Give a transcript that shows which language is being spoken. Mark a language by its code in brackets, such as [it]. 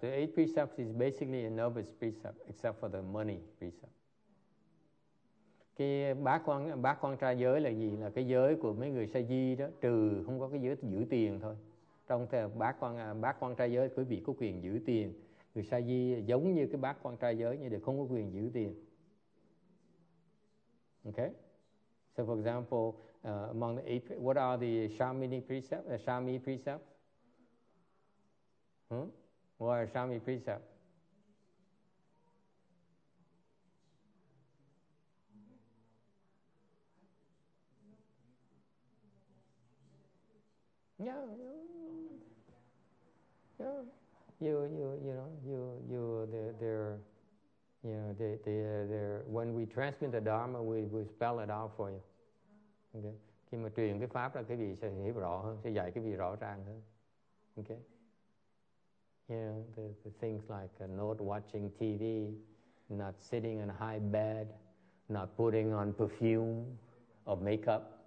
[en] The eight precepts is basically a novice precept, except for the money precept. [vi] Cái bát quan trai giới là gì? Là cái giới của mấy người sa di đó, trừ không có cái giới giữ tiền thôi. Trong bát quan trai giới, quý vị có quyền giữ tiền. Người sa di giống như cái bát quan trai giới như để không có quyền giữ tiền. [en] Okay. So for example, among the eight, what are the shamini precept? The shami precept. What are shami precept? Yeah. When we transmit the Dharma, we spell it out for you. Okay. [vi] Khi mà truyền cái pháp ra, cái vị sẽ hiểu rõ hơn, sẽ dạy cái vị rõ ràng hơn. [en] Okay. Yeah, the things like not watching TV, not sitting in a high bed, not putting on perfume or makeup.